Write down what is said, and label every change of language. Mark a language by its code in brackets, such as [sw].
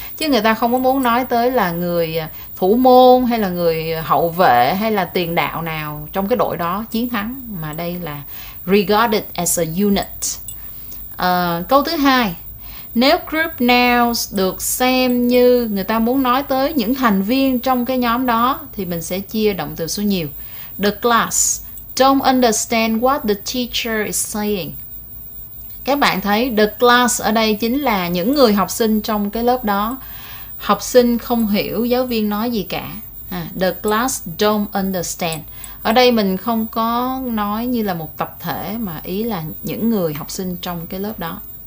[vi] Chứ người ta không có muốn nói tới là người thủ môn hay là người hậu vệ hay là tiền đạo nào trong cái đội đó chiến thắng. Mà đây là [en] regarded as a unit. [vi] Câu thứ hai, nếu group nouns được xem như người ta muốn nói tới những thành viên trong cái nhóm đó thì mình sẽ chia động từ số nhiều. [en] The class don't understand what the teacher is saying. [vi] Các bạn thấy the class ở đây chính là những người học sinh trong cái lớp đó. Học sinh không hiểu giáo viên nói gì cả. [en] The class don't understand. [vi] Ở đây mình không có nói như là một tập thể mà ý là những người học sinh trong cái lớp đó.